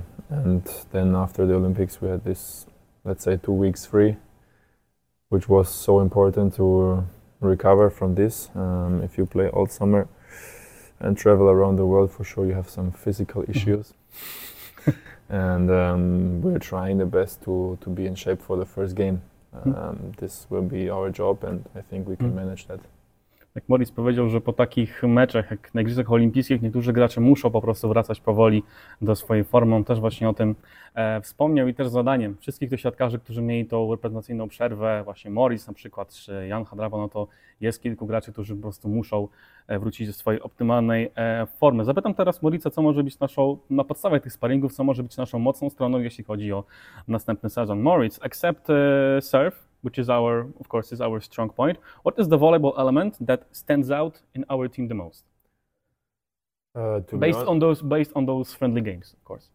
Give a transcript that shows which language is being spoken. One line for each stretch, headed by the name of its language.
English: And then after the Olympics, we had this, let's say, 2 weeks free, which was so important to recover from this. If you play all summer and travel around the world, for sure you have some physical issues. And we're trying the best to be in shape for the first game. This will be our job and I think we can manage that.
Polish: Jak Moritz powiedział, że po takich meczach, jak na Igrzyskach Olimpijskich, niektórzy gracze muszą po prostu wracać powoli do swojej formy. On też właśnie o tym wspomniał i też zadaniem wszystkich doświadczeń, którzy mieli tą reprezentacyjną przerwę, właśnie Moritz na przykład, czy Jan Hadrawa, no to jest kilku graczy, którzy po prostu muszą wrócić do swojej optymalnej formy. Zapytam teraz Moritza, co może być naszą, na podstawie tych sparingów, co może być naszą mocną stroną, jeśli chodzi o następny sezon.
English: Moritz, accept serve. Which is our, of course, is our strong point. What is the volleyball element that stands out in our team the most? To based be on those based on those friendly games, of course.